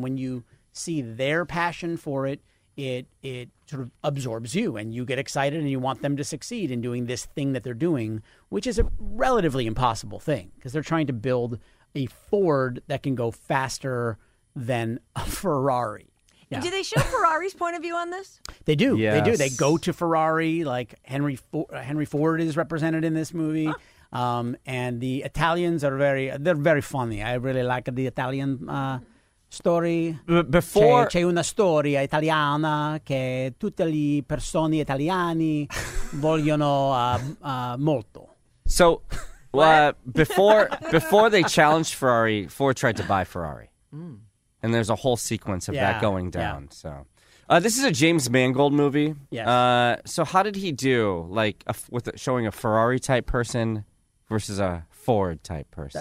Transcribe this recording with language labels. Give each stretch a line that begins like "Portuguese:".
English: And when you see their passion for it, it sort of absorbs you and you get excited and you want them to succeed in doing this thing that they're doing, which is a relatively impossible thing because they're trying to build a Ford that can go faster than a Ferrari. Yeah. Do they show Ferrari's point of view on this? They do. Yes. They do. They go to Ferrari, like Henry Ford is represented in this movie. Huh. And the Italians are very funny. I really like the Italian story. Before
Italian: c'è una storia italiana che tutte le persone italiane vogliono molto.
English: So, before they challenged Ferrari, Ford tried to buy Ferrari, and there's a whole sequence of that going down. Yeah. So, this is a James Mangold movie. Yes. So, how did he do? Like showing a Ferrari type person versus a Ford type person.